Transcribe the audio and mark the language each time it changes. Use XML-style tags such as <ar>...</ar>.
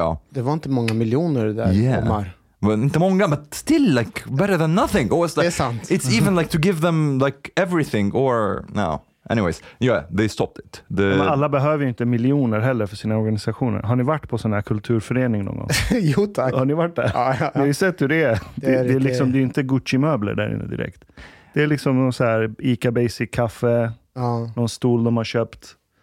<sv>Det var inte många miljoner där, Omar.</sv> <en>Well,</en> <sv>inte många,</sv> <en>but still like better than nothing. Or it's like,</en> <sv>det är sant.</sv> <en>It's even like to give them like everything or no. Anyways, yeah, they stopped it.</en> <sv>Alla behöver ju inte miljoner heller för sina organisationer. Har ni varit på sån här kulturförening någon gång? Jo, tack. Har ni varit där? Ja. Ni har ju sett hur det är liksom, det är inte Gucci-möbler där inne direkt. Det är liksom någon så här ICA Basic kaffe, någon stol de har köpt.</sv>